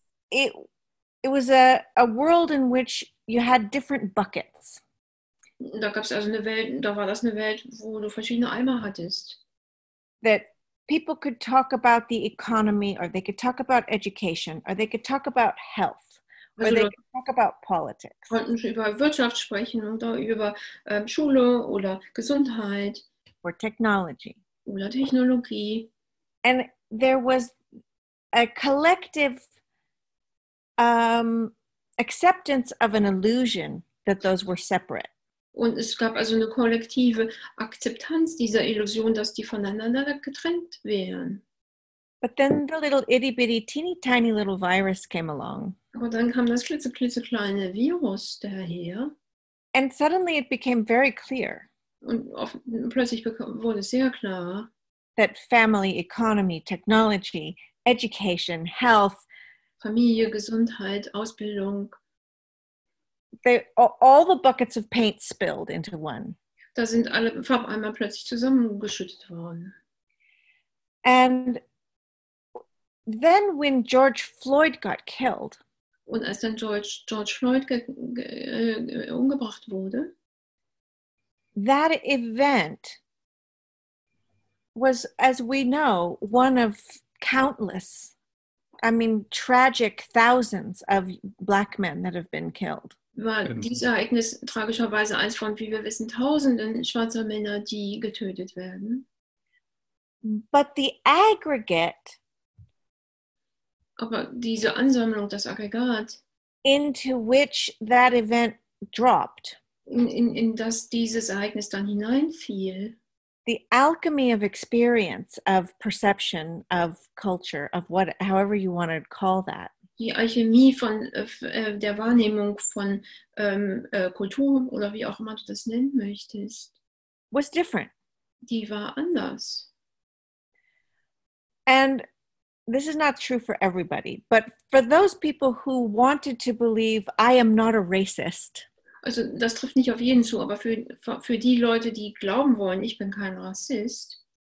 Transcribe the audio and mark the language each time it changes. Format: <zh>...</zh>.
<en>It was a world in which you had different buckets.</en> <de>Da gab's also eine Welt, da war das eine Welt, wo du verschiedene Eimer hattest.</de> <en>That people could talk about the economy, or they could talk about education, or they could talk about health, also, or they could talk about politics.</en> <de>Konnten über Wirtschaft sprechen oder über Schule oder Gesundheit.</de> <en>Or technology.</en> <de>Oder Technologie.</de> <en>And there was a collective acceptance of an illusion that those were separate.</en> <de>Und es gab also eine kollektive Akzeptanz dieser Illusion, dass die voneinander getrennt wären.</de> <en>But then the little itty bitty teeny tiny little virus came along.</en> <de>Aber dann kam das klitzekleine Virus daher.</de> <en>And suddenly it became very clear.</en> <de>Und plötzlich wurde sehr klar,</de> <en>that family, economy, technology, education, health,</en> <de>Familie, Gesundheit, Ausbildung,</de> <en>all the buckets of paint spilled into one.</en> <de>Da sind alle Farbeimer plötzlich zusammengeschüttet worden.</de> <en>And then when George Floyd got killed,</en> <de>und als dann George Floyd umgebracht wurde,</de> <en>that event was, as we know, one of countless, tragic thousands of black men that have been killed.</en> <de>War dieses Ereignis tragischerweise eins von, wie wir wissen, tausenden schwarzer Männer, die getötet werden.</de> <en>But the aggregate,</en> <de>aber diese Ansammlung, das Aggregat,</de> <en>into which that event dropped,</en> <de>in das dieses Ereignis dann hineinfiel,</de> <en>the alchemy of experience, of perception, of culture, of what, however you want to call that,</en> <de>die Alchemie von der Wahrnehmung von Kultur oder wie auch immer du das nennen möchtest,</de> <en>was different.</en> <de>Die war anders.</de> <en>And this is not true for everybody, but for those people who wanted to believe, I am not a racist.</en> <de>Also das trifft nicht auf jeden zu, aber für die Leute, die glauben wollen, ich bin kein Rassist.</de>